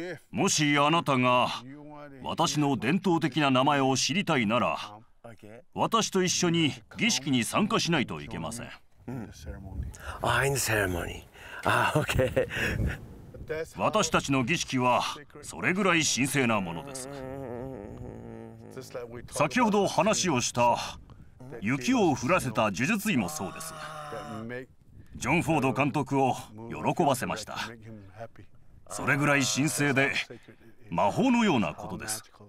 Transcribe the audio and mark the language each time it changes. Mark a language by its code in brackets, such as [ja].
[ja] もしあなたが私の伝統的な名前を知りたいなら、私と一緒に儀式に参加しないといけません。 [en] うん、I'm the ceremony. Ah, okay. [ja] 私たちの儀式はそれぐらい神聖なものです。先ほど話をした雪を降らせた呪術医もそうです。ジョン・フォード監督を喜ばせました。それぐらい神聖で魔法のようなことです。